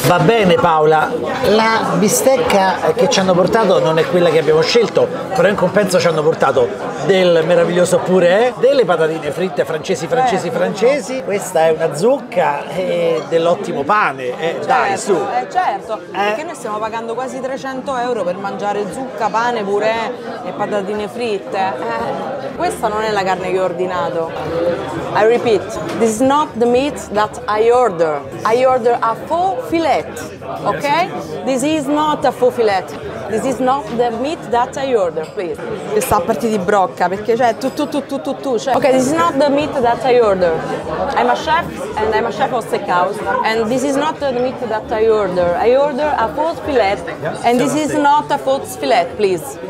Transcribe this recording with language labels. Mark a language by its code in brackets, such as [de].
[it] Va bene Paola, la bistecca che ci hanno portato non è quella che abbiamo scelto, però in compenso ci hanno portato del meraviglioso purè, delle patatine fritte francesi, questa è una zucca e dell'ottimo pane, certo, dai su. Certo, perché noi stiamo pagando quasi 300 euro per mangiare zucca, pane, purè e patatine fritte. Questa non è la carne che ho ordinato. [en] I repeat, this is not the meat that I order. I order a faux fillet, ok? This is not a faux fillet. This is not the meat that I order, please. [it] Sta a partire di brocca, perché cioè tu, cioè. [en] Ok, this is not the meat that I order. I'm a chef of steakhouse. And this is not the meat that I order. I order a faux fillet. And this is not a faux fillet, please.